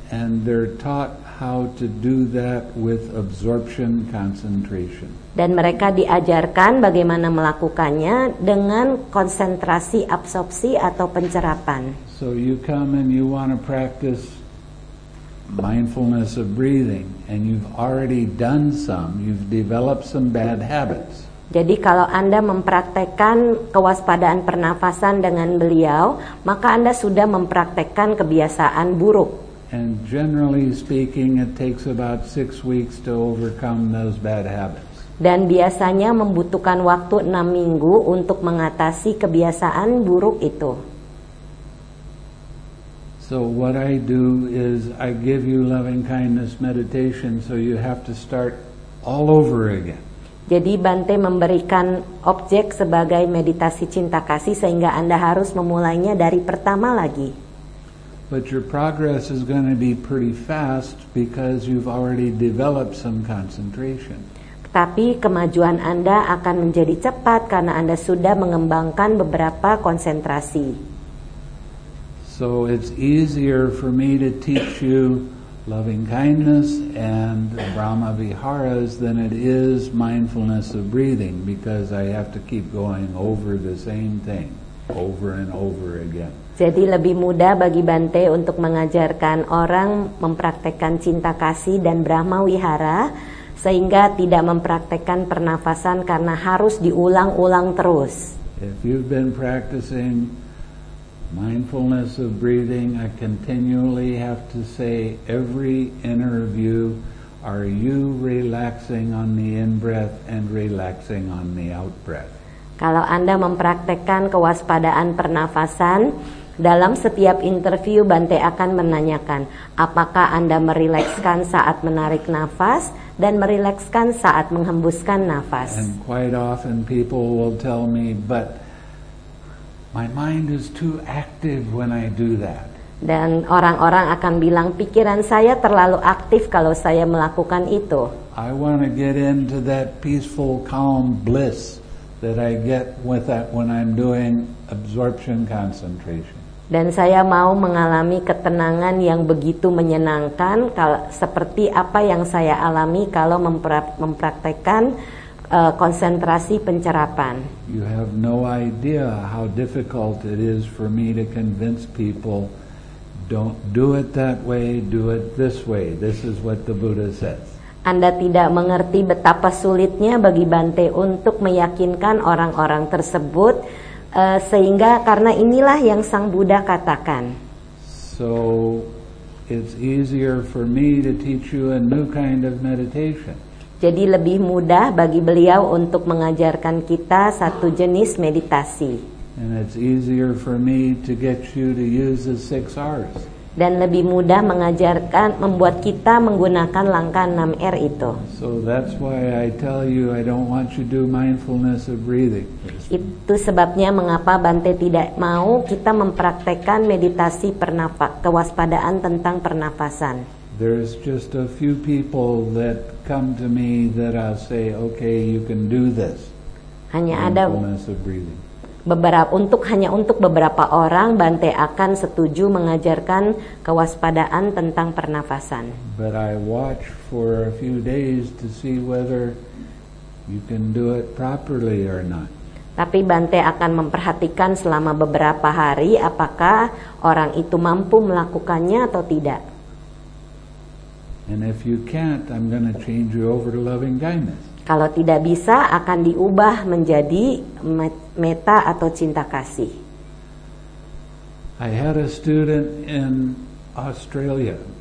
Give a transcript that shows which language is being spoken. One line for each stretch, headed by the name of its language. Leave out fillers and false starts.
English: And they're taught how to do that with absorption concentration.
Indonesian: Dan mereka diajarkan bagaimana melakukannya dengan konsentrasi absorpsi atau pencerapan.
English: So you come and you want to practice mindfulness of breathing and you've already done some, you've developed some bad habits.
Indonesian: Jadi kalau Anda mempraktekkan kewaspadaan pernafasan dengan beliau, maka Anda sudah mempraktekkan kebiasaan buruk.
English: And generally speaking, it takes about 6 weeks to overcome those bad habits.
Indonesian: Dan biasanya membutuhkan waktu 6 minggu untuk mengatasi kebiasaan buruk itu.
English: So what I do is I give you loving kindness meditation, so you have to start all over again.
Indonesian: Jadi Bante memberikan objek sebagai meditasi cinta kasih sehingga Anda harus memulainya dari pertama lagi.
English: But your progress is going to be pretty fast because you've already developed some concentration.
Indonesian: Tapi kemajuan Anda akan menjadi cepat karena Anda sudah mengembangkan beberapa konsentrasi.
English: So it's easier for me to teach you loving kindness and Brahma Viharas than it is mindfulness of breathing because I have to keep going over the same thing. over and over again.
Indonesian: Jadi lebih mudah bagi Bante untuk mengajarkan orang mempraktekkan cinta kasih dan Brahma Wihara sehingga tidak mempraktekkan pernafasan karena harus diulang-ulang terus.
English: If you've been practicing mindfulness of breathing, I continually have to say every interview, are you relaxing on the in-breath and relaxing on the out-breath?
Indonesian: Kalau Anda mempraktekkan kewaspadaan pernafasan, dalam setiap interview Bante akan menanyakan, apakah Anda merilekskan saat menarik nafas dan merilekskan saat menghembuskan nafas?
English: And quite often people will tell me, but my mind is too active when I do that.
Indonesian: Dan orang-orang akan bilang pikiran saya terlalu aktif kalau saya melakukan itu.
English: I want to get into that peaceful, calm bliss that I get with that when I'm doing absorption concentration.
Indonesian: Dan saya mau mengalami ketenangan yang begitu menyenangkan seperti apa yang saya alami kalau mempraktekkan konsentrasi pencerapan.
English: You have no idea how difficult it is for me to convince people, don't do it that way, do it this way. This is what the Buddha says.
Indonesian: Anda tidak mengerti betapa sulitnya bagi Bante untuk meyakinkan orang-orang tersebut, sehingga karena inilah yang Sang Buddha katakan.
English: So it's easier for me to teach you a new kind of meditation.
Indonesian: Jadi lebih mudah bagi beliau untuk mengajarkan kita satu jenis meditasi.
English: And it's easier for me to get you to use the 6 R's.
Indonesian: Dan lebih mudah mengajarkan, membuat kita menggunakan langkah 6 R itu.
English: So that's why I tell you I don't want you to do mindfulness of breathing.
Indonesian: Itu sebabnya mengapa Bante tidak mau kita mempraktekkan meditasi kewaspadaan tentang pernafasan.
English: There's just a few people that come to me that I say, okay, you can do this.
Indonesian: Hanya ada
English: mindfulness of breathing.
Indonesian: Hanya untuk beberapa orang Bante akan setuju mengajarkan kewaspadaan tentang pernafasan.
English: But I watch for a few days to see whether you can do it properly or not.
Indonesian: Tapi Bante akan memperhatikan selama beberapa hari apakah orang itu mampu melakukannya atau tidak.
English: And if you can't, I'm going to change you over to loving kindness.
Indonesian: Kalau tidak bisa, akan diubah menjadi metta atau cinta kasih.
English: I had a student in Australia.